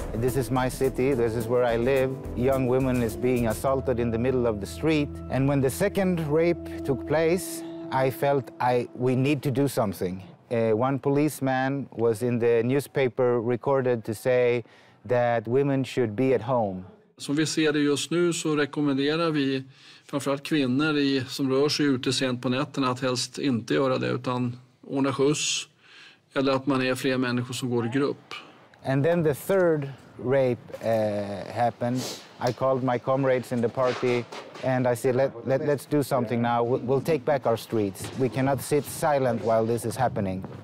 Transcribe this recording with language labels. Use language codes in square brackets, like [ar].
[en] This is my city, this is where I live. Young women is being assaulted in the middle of the street. And when the second rape took place, I felt we need to do something. One policeman was in the newspaper recorded to say that women should be at home. [sv] Som vi ser det just nu så rekommenderar vi framförallt kvinnor som rör sig ute sent på nätterna att helst inte göra det utan ordna skjuts eller att man är fler människor som går I grupp. [en] And then the third rape happened. I called my comrades in the party and I said let's do something now. We'll take back our streets. We cannot sit silent while this is happening.